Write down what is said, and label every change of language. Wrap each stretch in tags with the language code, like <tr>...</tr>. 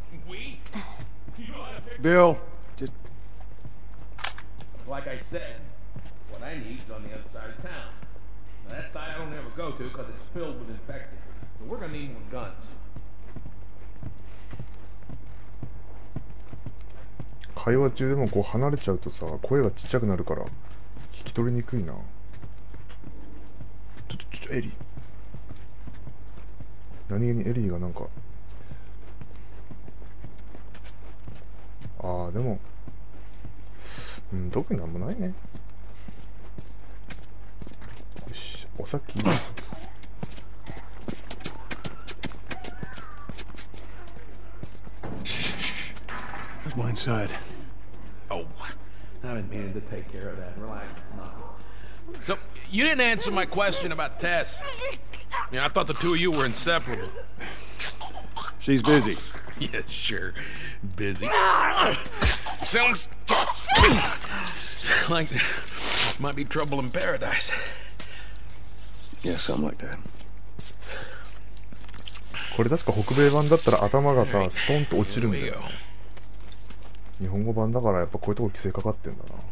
<en>We? You know how to fix Bill, just... Like I said, what I need is on the other side of town. Now that side I don't ever go to because it's filled with infected. So we're gonna need more guns.</en> <ja>会話中でもこう離れちゃうとさ声がちっちゃくなるから聞き取りにくいな。ちょエリー、何気にエリーがなんか、ああでも、うん、特になんもないね。よし、お先。</ja> <en>Let's go inside. Oh, I've been meaning to take care of that. Relax, it's not good. So, you didn't answer my question about Tess. Yeah, I thought the two of you were inseparable. She's busy. Yeah, sure. Busy. Sounds like might be trouble in paradise. Yeah, something like that.</en> <ja>これ確か北米版だったら頭がさ、ストンと落ちるんだよ。日本語版だからやっぱこういうとこ規制かかってんだな。</ja>